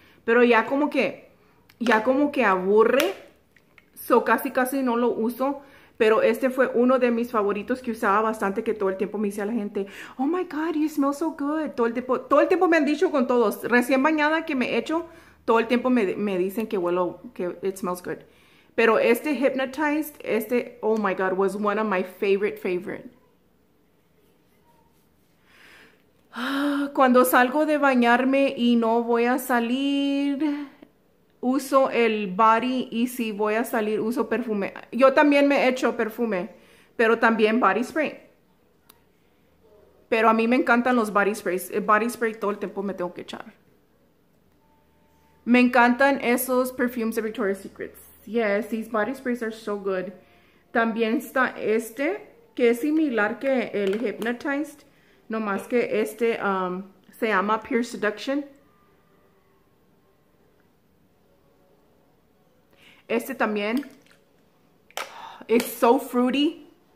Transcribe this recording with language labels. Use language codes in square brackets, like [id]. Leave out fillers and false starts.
[es] Pero ya como que aburre. So casi casi no lo uso, pero este fue uno de mis favoritos que usaba bastante, que todo el tiempo me decía la gente, [en] oh my God, you smell so good. [es] Todo el tiempo me han dicho con todos, recién bañada que me echo, todo el tiempo me dicen que huelo, que [en] it smells good. [es] Pero este [en] Hypnotized, este, oh my God, was one of my favorite. [es] Ah, cuando salgo de bañarme y no voy a salir, uso el body, y si voy a salir, uso perfume. Yo también me echo perfume, pero también body spray. Pero a mí me encantan los body sprays. El body spray todo el tiempo me tengo que echar. Me encantan esos perfumes de Victoria's Secrets. [en] Yes, these body sprays are so good. [es] También está este, que es similar que el Hypnotized, nomás que este se llama Pure Seduction. Este también. [en] It's so fruity.